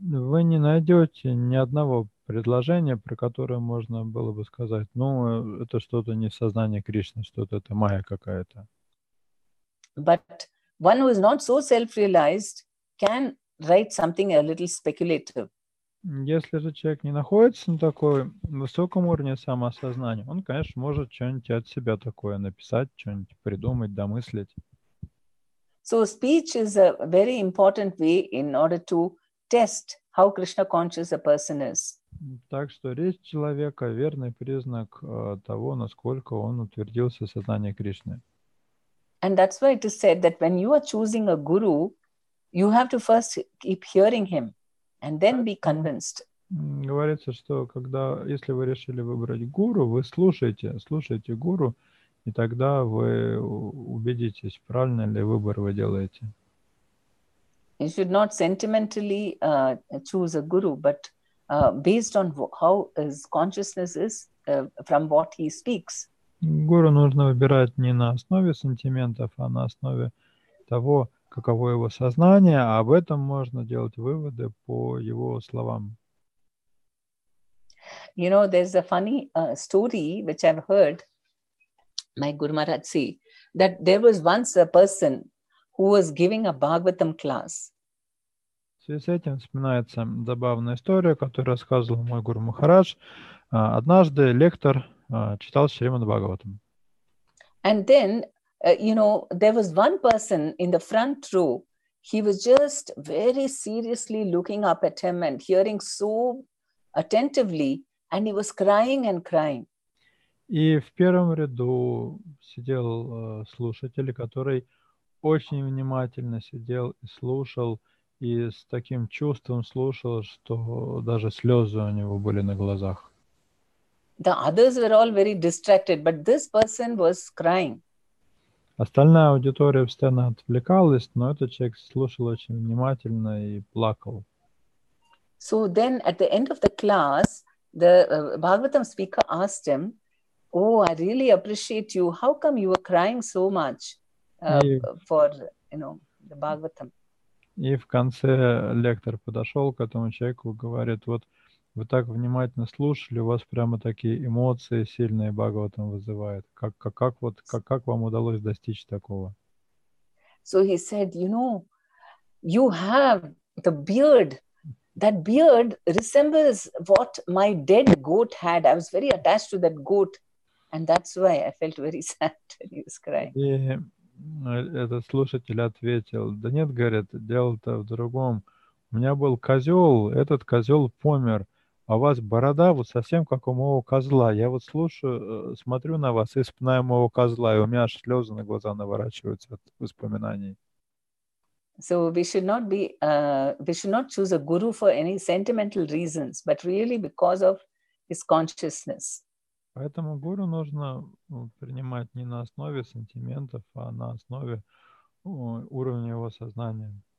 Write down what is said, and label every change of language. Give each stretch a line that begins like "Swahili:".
Russian: Вы не найдете ни одного предложения, про которое можно было бы сказать, ну, это что-то не сознание Кришны, что-то это Майя какая-то.
English: But one who is not so self-realized can write something a little speculative.
Russian: Если же человек не находится на такой высоком уровне самосознания, он, конечно, может что-нибудь от себя такое написать, что-нибудь придумать, домыслить.
English: So speech is a very important way in order to test how Krishna conscious a person is.
Russian: Так что речь человека верный признак того, насколько он утвердился в сознании Кришны.
English: And that's why it is said that when you are choosing a guru, you have to first keep hearing him and then be convinced.
Russian: Говорится, что когда если вы решили выбрать гуру, вы слушаете гуру. И тогда вы убедитесь, правильно ли выбор вы делаете.
English: You should not sentimentally choose a guru, but based on how his consciousness is from what he speaks.
Russian: Гуру нужно выбирать не на основе сантиментов, а на основе того, каково его сознание, а об этом можно делать выводы по его словам.
English: You know, there's a funny story which I've heard. My Guru Maharaj said that there was once a person who was giving a Bhagavatam class.
Russian: В связи с этим вспоминается забавная история, которую рассказывал мой Гуру Махарадж. Однажды лектор читал Шримад Бхагаватам.
English: And then, there was one person in the front row. He was just very seriously looking up at him and hearing so attentively, and he was crying and crying.
Russian: И в первом ряду сидел слушатель, который очень внимательно сидел и слушал, и с таким чувством слушал, что даже слезы у него были на глазах.
English: The others were all very distracted, but this person was crying.
Russian: Остальная аудитория постоянно отвлекалась, но этот человек слушал очень внимательно и плакал.
English: So then at the end of the class, the Bhagavatam speaker asked him, oh, I really appreciate you. How come you were crying so much the Bhagavatam?
Russian: И в конце лектор подошел к этому человеку и говорит, вот вы так внимательно слушали, у вас прямо такие эмоции сильные Бхагаватам вызывают. Как вам удалось достичь такого?
English: So he said, you have the beard. That beard resembles what my dead goat had. I was very attached to that goat. And that's why I felt very sad when he was crying.
Russian: И этот слушатель ответил, да нет, говорит, дело-то в другом. У меня был козел, этот козел помер, А у вас борода вот совсем как у моего козла. Я вот слушаю, смотрю на вас и вспоминаю моего козла, и у меня аж слезы на глаза наворачиваются от воспоминаний.
English: So we should not choose a guru for any sentimental reasons, but really because of his consciousness.
Russian: Поэтому гуру нужно принимать не на основе сантиментов, а на основе уровня его сознания.